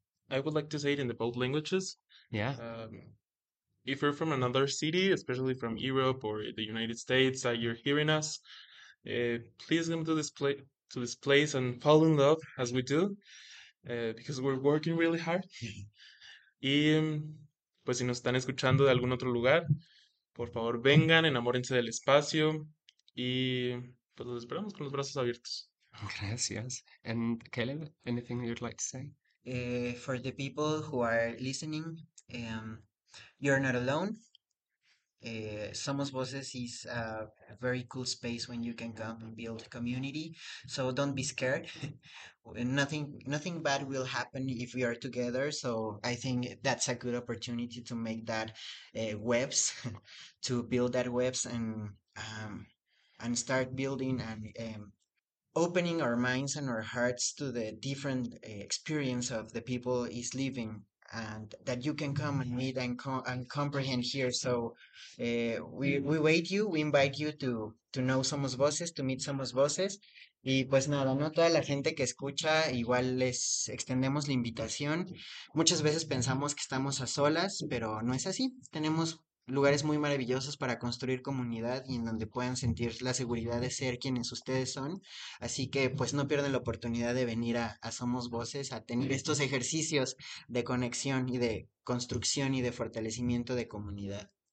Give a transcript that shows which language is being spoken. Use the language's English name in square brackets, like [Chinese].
[English] I would like to say it in the both languages. If you're from another city, especially from Europe or the United States, that you're hearing us, please come to this place and fall in love as we do, because we're working really hard. [Spanish] Y pues si nos están escuchando de algún otro lugar, por favor vengan, enamórense del espacio y pues los esperamos con los brazos abiertos. Gracias. [English] And Caleb, anything you'd like to say? For the people who are listening, you're not alone. Somos Voces is a very cool space when you can come and build a community. So don't be scared. Nothing bad will happen if we are together. So I think that's a good opportunity to make that webs, to build that webs and start building and opening our minds and our hearts to the different experience of the people is living. And that you can come and meet and comprehend here. So we wait you, we invite you to know Somos Voces, to meet Somos Voces. [Spanish] Y pues nada, no toda la gente que escucha, igual les extendemos la invitación. Muchas veces pensamos que estamos a solas, pero no es así. Tenemos lugares muy maravillosos para construir comunidad y en donde puedan sentir la seguridad de ser quienes ustedes son. Así que pues no pierden la oportunidad de venir a Somos Voces, a tener estos ejercicios de conexión y de construcción y de fortalecimiento de comunidad.